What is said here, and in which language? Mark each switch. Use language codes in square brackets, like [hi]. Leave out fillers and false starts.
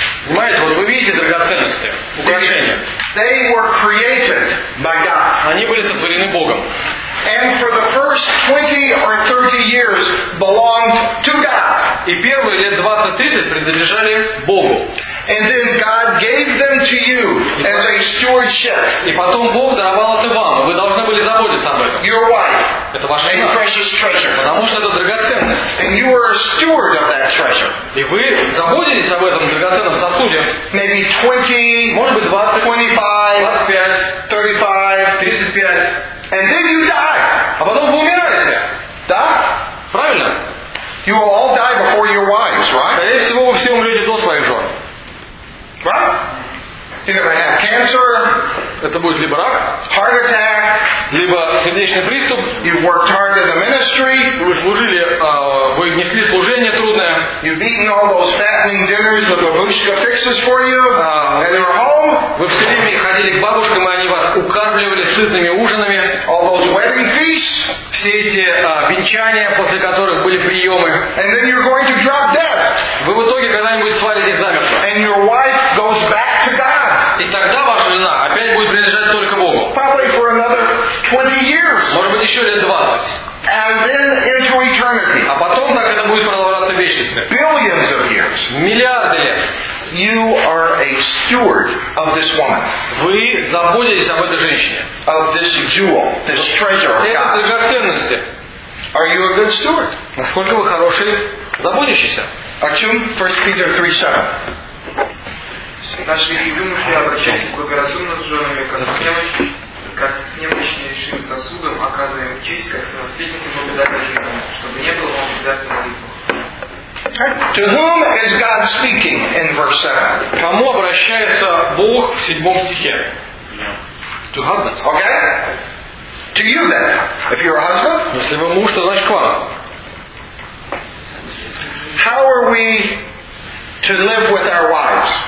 [ru] Понимаете, вот вы видите драгоценности, украшения. [en] They were created by God. [ru] Они были сотворены Богом. [en] And for the first 20 or 30 years belonged to God. [ru] И первые лет 20-30 принадлежали Богу. [en] And then God gave them to you as a stewardship. [ru] И потом Бог даровал это вам. Вы должны были заботиться об этом. [en] Your wife. [ru] Это ваша жена. [en] A precious treasure. [ru] Потому что это драгоценность. [en] And you are a steward of that treasure. [ru] И вы заботитесь об этом драгоценном сосуде. [en] Maybe 20, [ru] может быть 20, [en] 25, [ru] 25, [en] 35, [ru] 35. [en] And then you die. [ru] А потом вы умираете. Да? Правильно? [en] You will all die before your wives, right? [ru] Скорее всего, вы все умрете до своих жен. [en] Right? You're gonna have cancer. [ru] Это будет либо рак. [en] Heart attack. [ru] Либо сердечный приступ. [en] You've worked hard in the ministry. [ru] Вы служили, вы несли служение трудное. [en] You've eaten all those fattening dinners that Babushka fixes for you at your home. [ru] Вы все время ходили к бабушкам, и они вас укармливали сытными ужинами. [en] All those wedding feasts. [ru] Все эти венчания, после которых были приемы. [en] And then you're going to drop dead. [ru] Вы в итоге когда-нибудь свалите замертво. [en] And your wife goes back to God. [ru] И тогда ваша жена опять будет принадлежать только Богу. [en] Probably for another 20 years. [ru] Может быть, еще лет 20. [en] And then into eternity. [ru] А потом так это будет продолжаться вечность. [en] Billions of years. [ru] Миллиарды лет. [en] You are a steward of this woman. [ru] Вы заботитесь об этой женщине. [en] Of this jewel, this treasure of God. [ru] Этой драгоценности. [en] Are you a good steward? [ru] Насколько вы хороший заботящийся? О чем 1 Peter 3:7? Наши юноши обращаются благоразумно с женами, как с немощнейшим сосудом, оказывая им честь, как с наследницей благодатной жизни, чтобы не было вам предастной молитвы. [en] To whom is God speaking in verse 7? [ru] Кому обращается Бог в 7 стихе? [en] To husbands. Okay. To you then. If you're a husband. [ru] Если вы муж, то значит к вам. [en] How are we to live with our wives?